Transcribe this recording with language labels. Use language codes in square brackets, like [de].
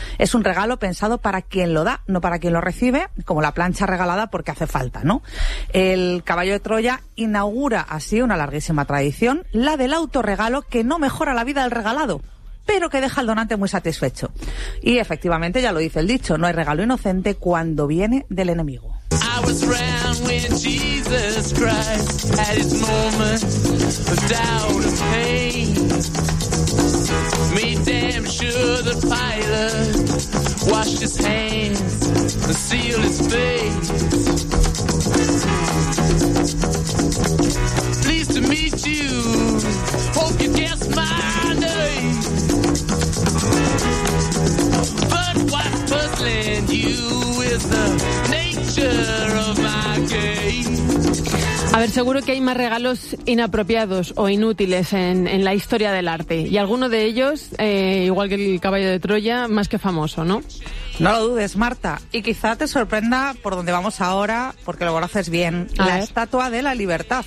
[es] Es un regalo pensado para quien lo da, no para quien lo recibe, como la plancha regalada porque hace falta, ¿no? El caballo de Troya inaugura así una larguísima tradición, la del autorregalo, que no mejora la vida del regalado, pero que deja al donante muy satisfecho. Y efectivamente, ya lo dice el dicho, no hay regalo inocente cuando viene del enemigo. [en] I was round when Jesus Christ had his moments of doubt and pain. Made damn sure the pilot washed his hands and sealed his fate. Pleased to meet you, hope you guessed my name. But what's puzzling you is the nature of my game. [es] A ver, seguro que hay más regalos inapropiados o inútiles en la historia del arte. Y alguno de ellos, igual que el caballo de Troya, más que famoso, ¿no? No lo dudes, Marta. Y quizá te sorprenda por donde vamos ahora, porque lo conoces bien. Estatua de la Libertad.